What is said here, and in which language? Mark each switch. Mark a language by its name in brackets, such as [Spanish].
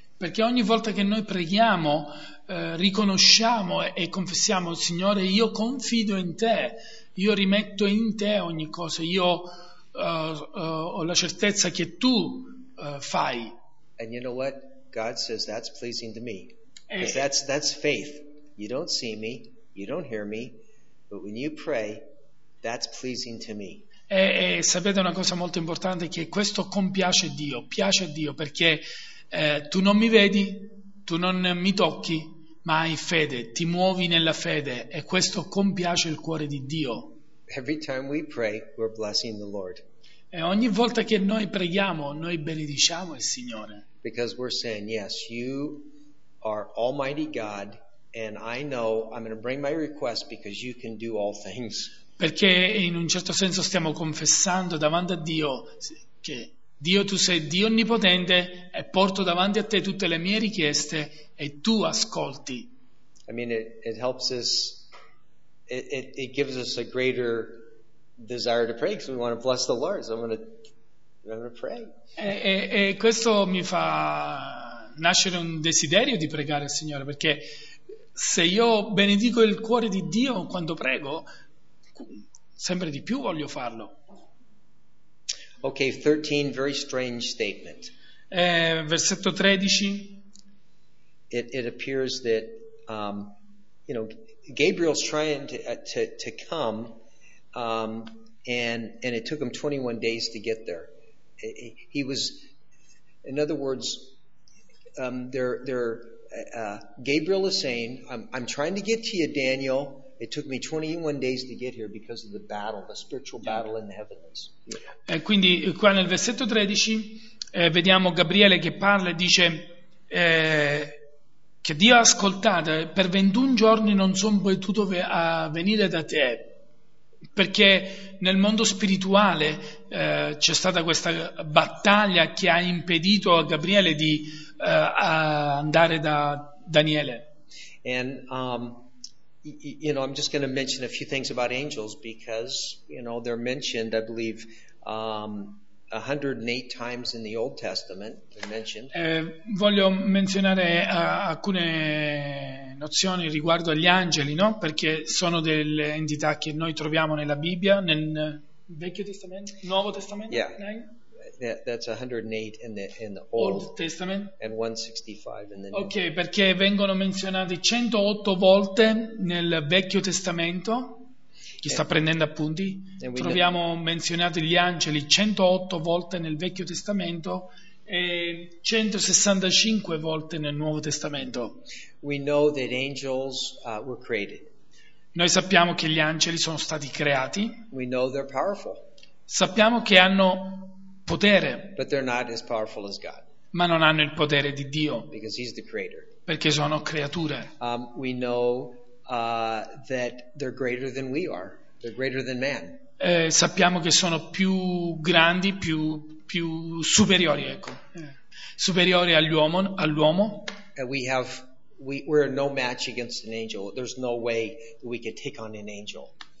[Italian] Perché ogni volta che noi preghiamo riconosciamo e confessiamo: Signore, io confido in te, io rimetto in te ogni cosa, io ho la certezza che tu fai. [English] And you know what? God says that's pleasing to me. Because that's faith. You don't see me, you don't hear me, but when you pray, that's pleasing to me. [Italian] E sapete una cosa molto importante, che questo compiace Dio, piace a Dio, perché tu non mi vedi, tu non mi tocchi, ma hai fede, ti muovi nella fede, e questo compiace il cuore di Dio. [English] Every time we pray, we're blessing the Lord. [Italian] E ogni volta che noi preghiamo, noi benediciamo il Signore. [English] Because we're saying, yes, you are Almighty God, and I know I'm going to bring my request because you can do all things. [Italian] Perché in un certo senso stiamo confessando davanti a Dio che Dio, tu sei Dio onnipotente e porto davanti a te tutte le mie richieste e tu ascolti. [English] I mean, it helps us, it gives us a greater desire to pray because we want to bless the Lord, so I'm gonna pray. [Italian] E questo mi fa nascere un desiderio di pregare al Signore, perché se io benedico il cuore di Dio quando prego, sempre di più voglio farlo. [English] Okay, 13, very strange statement. [Italian] Versetto 13. [English] It appears that you know, Gabriel's trying to come, and it took him 21 days to get there. He was, in other words, Gabriel is saying, I'm trying to get to you, Daniel. It took me 21 days to get here because of the battle, the spiritual battle in the heavens. [Italian] E quindi qua nel versetto 13 vediamo Gabriele che parla e dice che Dio ha ascoltato, per 21 giorni non sono potuto venire da te, perché nel mondo spirituale c'è stata questa battaglia che ha impedito a Gabriele di andare da Daniele. [English] And you know, I'm just going to mention a few things about angels because, you know, they're mentioned, I believe, 108 times in the Old Testament. They're mentioned. [Italian] Voglio menzionare alcune nozioni riguardo agli angeli, no? Perché sono delle entità che noi troviamo nella Bibbia, nel Vecchio Testamento, Nuovo Testamento. [English] Yeah. That's 108 in the Old Testament and 165 in the New. [Italian] Okay, perché vengono menzionati 108 volte nel Vecchio Testamento. Chi sta prendendo appunti? Troviamo menzionati gli angeli 108 volte nel Vecchio Testamento e 165 volte nel Nuovo Testamento. [English] We know that angels were created. [Italian] Noi sappiamo che gli angeli sono stati creati. [English] We know they're powerful. [Italian] Sappiamo che hanno potere, [English] but they're not as powerful as God. [Italian] Ma non hanno il potere di Dio, [English] because he's the creator. [Italian] Perché sono creature. [English] We know that they're greater than we are. They're greater than man. [Italian] Sappiamo che sono più grandi, più superiori, ecco. Superiori all'uomo. [English] We're no match against an angel. There's no way that we could take on an angel.